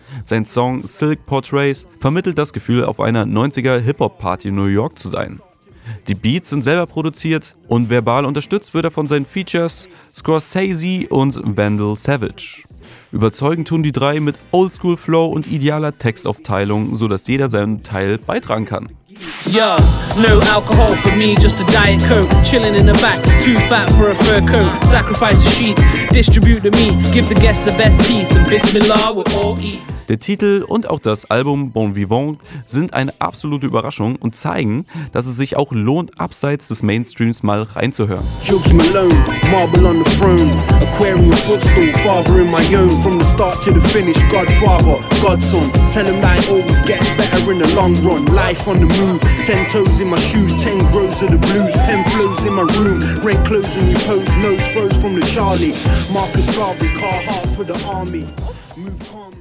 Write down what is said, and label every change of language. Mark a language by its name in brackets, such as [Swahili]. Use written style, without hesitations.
[German] Sein Song Silk Portraits vermittelt das Gefühl, auf einer 90er-Hip-Hop-Party in New York zu sein. Die Beats sind selber produziert und verbal unterstützt wird er von seinen Features Scorsese und Vandal Savage. Überzeugend tun die drei mit Oldschool-Flow und idealer Textaufteilung, sodass jeder seinen Teil beitragen kann. [English] Yo, no alcohol for me, just a Diet Coke. Chillin' in the back, too fat for a fur coat. Sacrifice a sheep, distribute the meat. Give the guests the best piece and bismillah we'll all eat. [German] Der Titel und auch das Album Bon Vivant sind eine absolute Überraschung und zeigen, dass es sich auch lohnt, abseits des Mainstreams mal reinzuhören. [English] Jokes Malone, marble on the throne. Aquarium footstool, father in my own. From the start to the finish, godfather, godson. Tell him that it always gets better in the long run. Life on the move, ten toes in my shoes. Ten grows of the blues, ten flows in my room. Red clothes when you pose, nose froze from the Charlie. Marcus Garvey, car hard for the army. Move on.